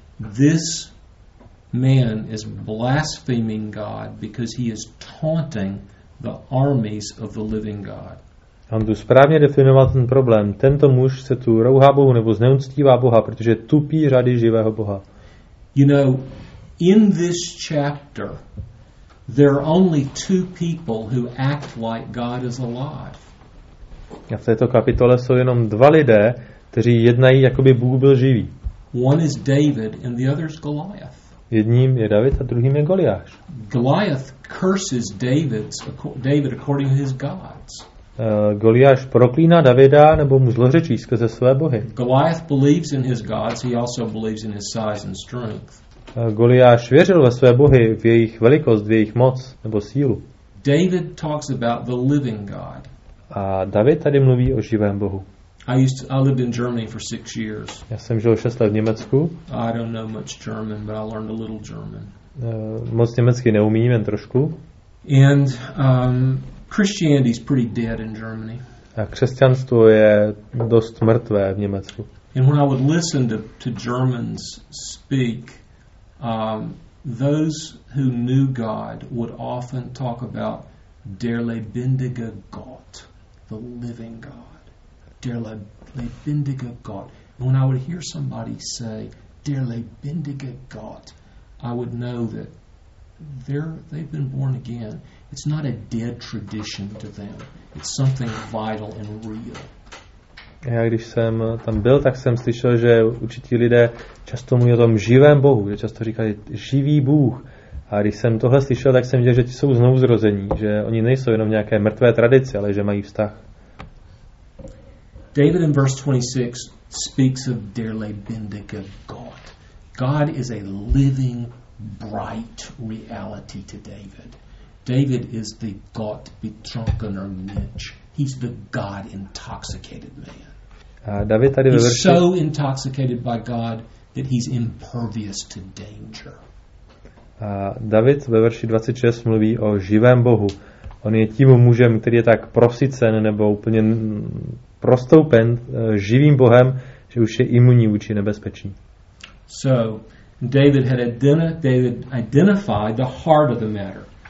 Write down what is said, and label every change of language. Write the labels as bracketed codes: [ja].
[en] This man is blaspheming God because he is taunting the armies of the living God. [cs] On tu správně definoval ten problém. Tento muž se tu rouhá Bohu nebo zneuctívá Boha, protože tupí řady živého Boha. [en] You know, in this chapter, there are only two people who act like God is alive. [cs] A v této kapitole jsou jenom dva lidé, kteří jednají, jako by Bůh byl živý. [en] One is David and the other is Goliath. [cs] Jedním je David a druhým je Goliáš. [en] Goliath curses David according to his gods. [cs] Goliáš proklíná Davida nebo mu zlořečí skrze své bohy. [en] Goliath believes in his gods, he also believes in his size and strength. [cs] Goliáš věřil ve své bohy, v jejich velikost, v jejich moc nebo sílu. [en] David talks about the living God. [cs] A David tady mluví o živém Bohu. [en] I lived in Germany for 6 years. [cs] Já jsem žil 6 let v Německu. [en] I don't know much German, but I learned a little German. [cs] Moc německy neumím, jen trošku. [en] And Christianity is pretty dead in Germany. [cs] A křesťanstvo je dost mrtvé v Německu. [en] And when I would listen to Germans speak, those who knew God would often talk about [de] der lebendige Gott, [en] the living God. [de] Der lebendige Gott. [en] And when I would hear somebody say [de] der lebendige Gott, [en] I would know that they've been born again. It's not a dead tradition to them. It's something vital and real. [cs] Já když jsem tam byl, tak jsem slyšel, že určití lidé často mluví o tom živém Bohu, že často říkají živý Bůh. A když jsem tohle slyšel, tak jsem viděl, že ti jsou znovu zrození, že oni nejsou jenom nějaké mrtvé tradice, ale že mají vztah. [en] David in verse 26 speaks of [de] der lebendige Gott. [en] God is a living, bright reality to David. David is the [de] Gott betrunkener Mensch. [en] He's the God intoxicated man. [cs] David tady [en] he's so intoxicated by God that he's impervious to danger. [cs] David ve verši 26 mluví o živém Bohu. On je tím mužem, který je tak prosycen nebo úplně prostoupen živým Bohem, že už je imunní vůči nebezpečí. [en] So David had identified the heart of the matter.